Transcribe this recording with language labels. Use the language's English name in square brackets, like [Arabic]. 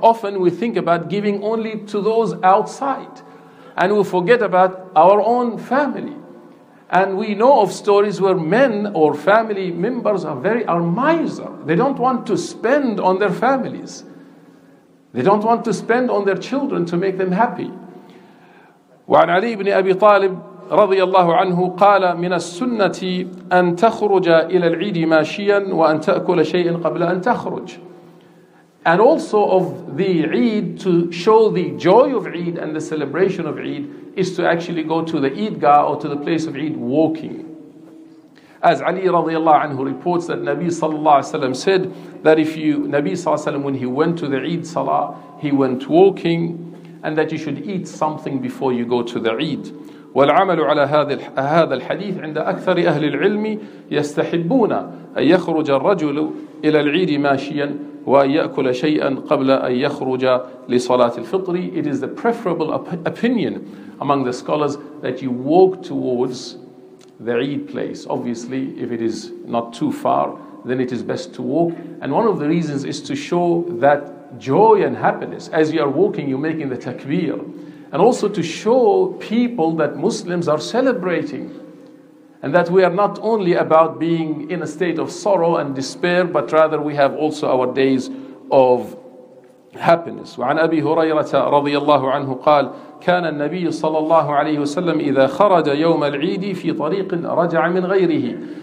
[English] Often we think about giving only to those outside, and we forget about our own family. And we know of stories where men or family members are miser. They don't want to spend on their families. They don't want to spend on their children to make them happy. [Arabic] وعن علي بن أبي طالب رضي الله عنه قال من السنة أن تخرج إلى العيد ماشيا وأن تأكل شيئا قبل أن تخرج. [English] And also of the Eid, to show the joy of Eid and the celebration of Eid, is to actually go to the Eidgah or to the place of Eid walking. As Ali radiallahu anhu reports that Nabi sallallahu alayhi wa sallam said that Nabi sallallahu alayhi wa sallam, when he went to the Eid Salah, he went walking, and that you should eat something before you go to the Eid. [Arabic] والعمل على هذا الحديث عند أكثر أهل العلم يستحبون أن يخرج الرجل إلى العيد ماشيا وأن يأكل شيئا قبل أن يخرج لصلاة الفطر. [English] It is the preferable opinion among the scholars that you walk towards the Eid place. Obviously, if it is not too far, then it is best to walk. And one of the reasons is to show that joy and happiness. As you are walking, you're making the takbir. And also to show people that Muslims are celebrating, and that we are not only about being in a state of sorrow and despair, but rather we have also our days of happiness. [Arabic] وعن أبي هريرة رضي الله عنه قال كان النبي صلى الله عليه وسلم إذا خرج يوم العيد في طريق رجع من غيره.